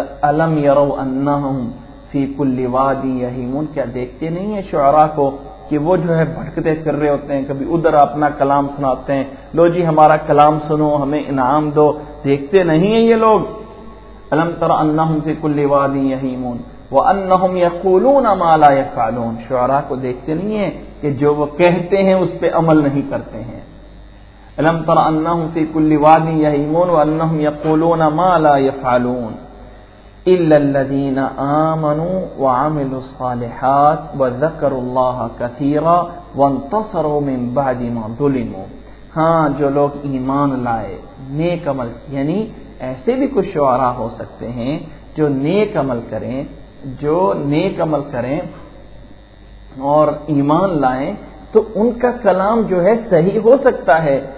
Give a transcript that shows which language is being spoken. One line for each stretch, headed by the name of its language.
Arabic: الم يروا انهم في كل واد يهيمون،
Urdu: کیا دیکھتے نہیں ہیں شعراء کو کہ وہ جو ہے بھٹکتے پھر رہے ہوتے ہیں، کبھی ادھر اپنا کلام سناتے ہیں، لو جی ہمارا کلام سنو ہمیں انعام دو، دیکھتے نہیں ہیں یہ لوگ.
Arabic: الم تر انہم فی کل وادی یہیمون وانہم یقولون ما لا یفعلون،
Urdu: شعراء کو دیکھتے نہیں ہیں کہ جو وہ کہتے ہیں اس پہ عمل نہیں کرتے ہیں.
Arabic: الم تر انہم فی کل وادی یہیمون وانہم یقولون ما لا یفعلون إلا الذين آمنوا وعملوا الصالحات وذكروا الله كثيرا وانتصروا من بعد ما ظلموا.
Urdu: ہاں جو لوگ ایمان لائے، نیک عمل، یعنی ایسے بھی کچھ شعراء ہو سکتے ہیں جو نیک عمل کریں، اور ایمان لائیں تو ان کا کلام جو ہے صحیح ہو سکتا ہے.